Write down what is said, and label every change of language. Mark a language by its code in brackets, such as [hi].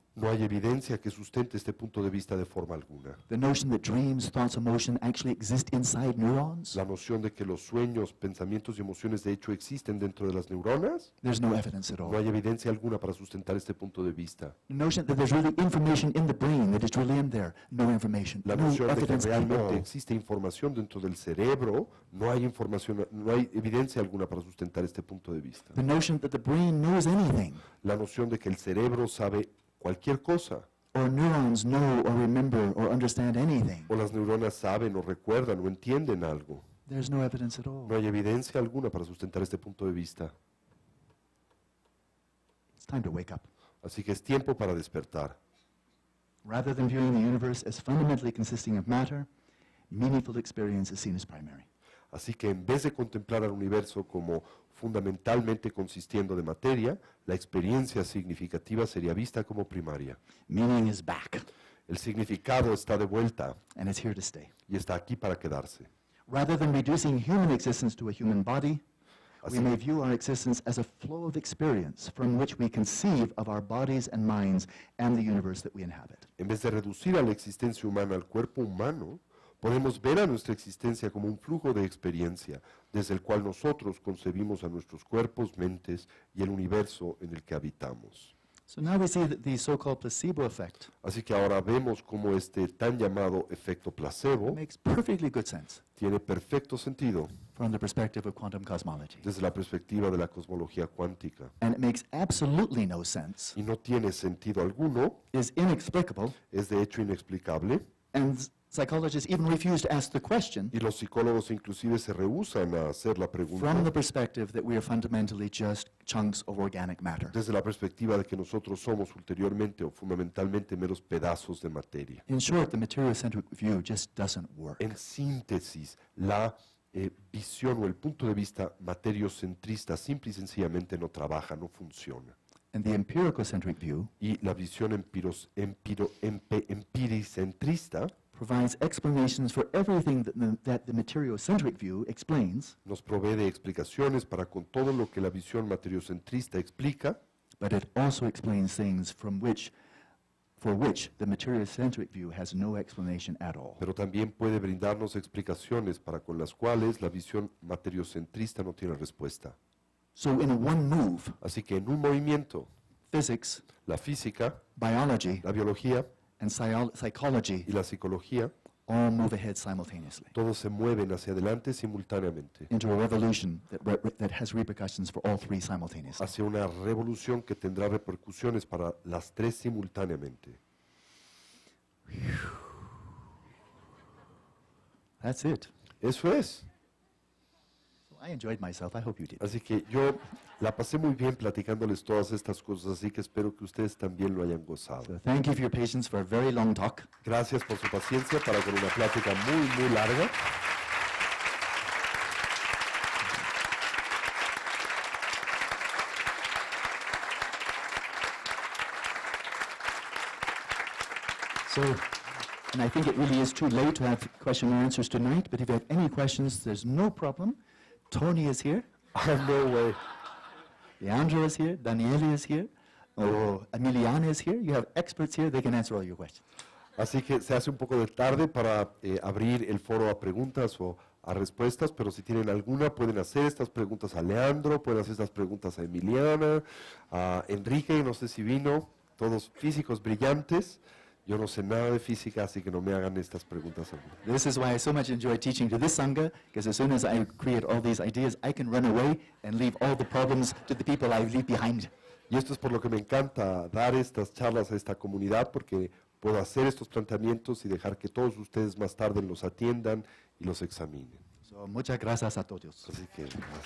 [es] No hay evidencia que sustente este punto de vista de forma alguna. [en] The notion that dreams, thoughts, emotion actually exist inside neurons. [es] La noción de que los sueños, pensamientos y emociones de hecho existen dentro de las neuronas. [en] There's no evidence at all. [es] No hay evidencia alguna para sustentar este punto de vista. [en] The notion that there's really information in the brain, that it's really in there. No information. [es] La noción no de que realmente existe información dentro del cerebro. No hay información, no hay evidencia alguna para sustentar este punto de vista. [en] The notion that the brain knows anything. [es] La noción de que el cerebro sabe cualquier cosa. [en] Or neurons know or remember or understand anything. [es] O las neuronas saben o recuerdan o entienden algo. [en] There's no evidence at all. [es] No hay evidencia alguna para sustentar este punto de vista. [en] It's time to wake up. [es] Así que es tiempo para despertar. [en] Rather than viewing the universe as fundamentally consisting of matter, meaningful experience is seen as primary. [es] Así que en vez de contemplar al universo como fundamentalmente consistiendo de materia, la experiencia significativa sería vista como primaria. [en] Meaning is back. [es] El significado está de vuelta. [en] And it's here to stay. [es] Y está aquí para quedarse. [en] Rather than reducing human existence to a human body, así, we may view our existence as a flow of experience from which we conceive of our bodies and minds and the universe that we inhabit. [es] En vez de reducir a la existencia humana al cuerpo humano, podemos ver a nuestra existencia como un flujo de experiencia desde el cual nosotros concebimos a nuestros cuerpos, mentes y el universo en el que habitamos. [en] So now we see that the so-called placebo effect. [es] Así que ahora vemos cómo este tan llamado efecto placebo [en] makes perfectly good sense [es] tiene perfecto sentido [en] from the perspective of quantum cosmology. [es] Desde la perspectiva de la cosmología cuántica. [en] And it makes absolutely no sense, [es] y no tiene sentido alguno, [en] is inexplicable, [es] es de hecho inexplicable, [en] and psychologists even refuse to ask the question. [es] Y los psicólogos inclusive se rehúsan a hacer la pregunta. [en] From the perspective that we are fundamentally just chunks of organic matter. [es] Desde la perspectiva de que nosotros somos ulteriormente o fundamentalmente meros pedazos de materia. [en] In short, the material-centric view just doesn't work. [es] En síntesis, la visión o el punto de vista materiocentrista simple y sencillamente no trabaja, no funciona. [en] And the empirical-centric view. [es] Y la visión empiricentrista [en] provides explanations for everything that the material-centric view explains. [es] Nos provee de explicaciones para con todo lo que la visión materiocentrista explica. [en] But it also explains things for which the material-centric view has no explanation at all. [es] Pero también puede brindarnos explicaciones para con las cuales la visión materiocentrista no tiene respuesta. [en] So in one move. [es] Así que en un movimiento. [en] Physics. [es] La física. [en] Biology. [es] La biología. [en] And psychology, [es] y la psicología, [en] all move ahead simultaneously. [es] Todos se mueven hacia adelante simultáneamente. [en] Into a revolution that has repercussions for all three simultaneously. [es] Hacia una revolución que tendrá repercusiones para las tres simultáneamente. [en] That's it. [es] Eso es. [en] I enjoyed myself. I hope you did. [es] Así que yo la pasé muy bien platicándoles todas estas cosas, así que espero que ustedes también lo hayan gozado. [en] So thank you for your patience for a very long talk. Gracias por su paciencia para con una plática muy, muy larga. So, and I think it really is too late to have question and answers tonight, but if you have any questions, there's no problem. Tony is here. No way. Leandro is here. Daniele is here. Oh, Emiliano is here. You have experts here. They can answer all your questions. [es] Así que se hace un poco de tarde para abrir el foro a preguntas o a respuestas, pero si tienen alguna, pueden hacer estas preguntas a Leandro, pueden hacer estas preguntas a Emiliana, a Enrique, no sé si vino, todos físicos brillantes. Yo no sé nada de física, así que no me hagan estas preguntas. [en] This is why I so much enjoy teaching to this sangha, because as soon as I create all these ideas, I can run away and leave all the problems to the people I leave behind. [es] Y esto es por lo que me encanta dar estas charlas a esta comunidad, porque puedo hacer estos planteamientos y dejar que todos ustedes más tarde los atiendan y los examinen. [en] So, [es] muchas gracias a todos. Así que gracias.